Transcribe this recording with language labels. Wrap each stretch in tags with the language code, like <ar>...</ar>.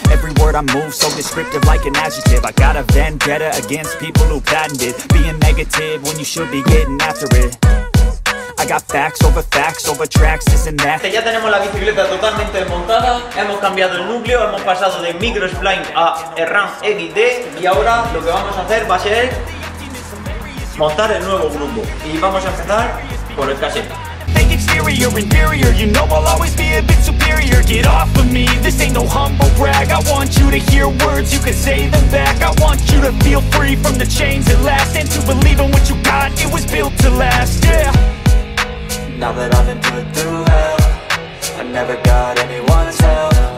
<en>Every word I move so descriptive like an adjective. I got a vendetta against people who patented being negative when you should be getting after it. I got facts over facts over tracks, isn't that?</en> <es>Ya tenemos la bicicleta totalmente desmontada. Hemos cambiado el núcleo, hemos pasado de Micro Spline a RAM XD. Y ahora lo que vamos a hacer va a ser montar el nuevo grupo. Y vamos a empezar por el cassette.</es> <en>Exterior, interior, you know I'll always be a bit superior. Get off of me, this ain't no humble brag. I want you to hear words, you can say them back. I want you to feel free from the chains at last. And to believe in what you got, it was built to last, yeah. Now that I've been put through hell, I never got anyone's help.</en>